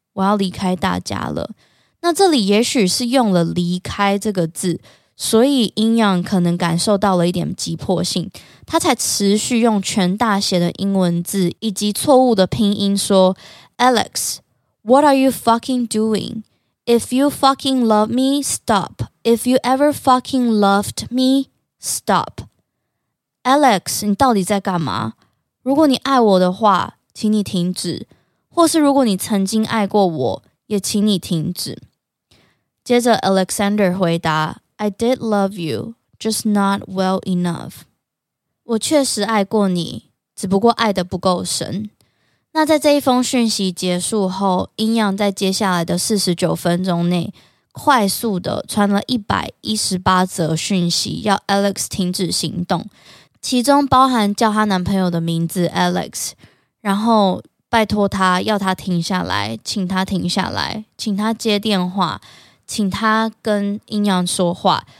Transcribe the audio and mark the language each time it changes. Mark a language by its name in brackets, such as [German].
[Chinese] 我要离开大家了。那这里也许是用了离开这个字，所以 Inyan 可能感受到了一点急迫性，他才持续用全大写的英文字以及错误的拼音说 [English] Alex, what are you fucking doing? If you fucking love me, stop. If you ever fucking loved me, stop. [Chinese] Alex, 你到底在干嘛？如果你爱我的话，请你停止，或是如果你曾经爱过我，也请你停止。接着 Alexander 回答 [English] I did love you, just not well enough. [Chinese] 我确实爱过你，只不过爱得不够深。那在这一封讯息结束后，阴阳在接下来的49分钟内快速的传了118则讯息要 Alex 停止行动，其中包含叫他男朋友的名字 Alex， 然后拜托他，要他停下来，请他停下来，请他接电话，请他跟阴阳说话。